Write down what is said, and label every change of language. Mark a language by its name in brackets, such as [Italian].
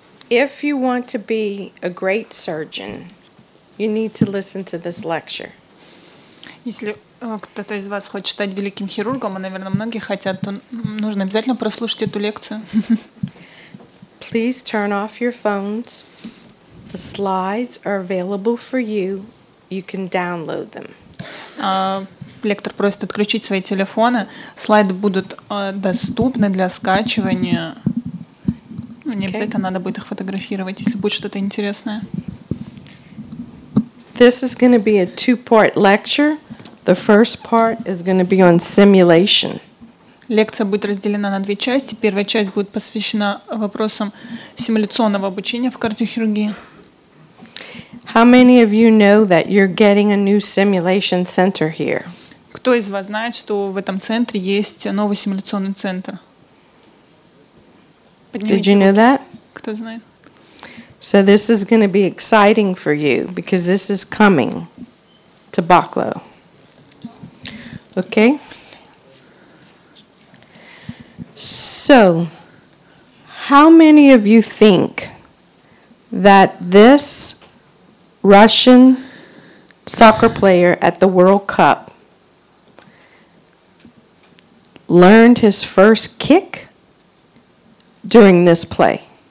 [English] If you want to be a great surgeon, you need to listen to this lecture. [Russian] Если кто-то из вас хочет стать великим хирургом, а, наверное, многие хотят, то нужно обязательно прослушать эту лекцию. [English] Please turn off your phones. The slides are available for you. You can download them. [Russian] Лектор просит отключить свои телефоны. Слайды будут доступны для скачивания. Ну, не обязательно надо будет их фотографировать, если будет что-то интересное. [English] This is going to be a two-part lecture. The first part is going to be on simulation. [Russian] Лекция будет разделена на две части. Первая часть будет посвящена вопросам симуляционного обучения в кардиохирургии. [English] How many of you know that you're getting a new simulation center here? [Russian] Кто из вас знает, что в этом центре есть новый симуляционный центр? [English] Did you know that? [Russian] Кто знает? [English] So this is going to be exciting for you because this is coming to Бакло. Okay? So, how many of you think that this Russian soccer player at the World Cup learned his first kick during this play?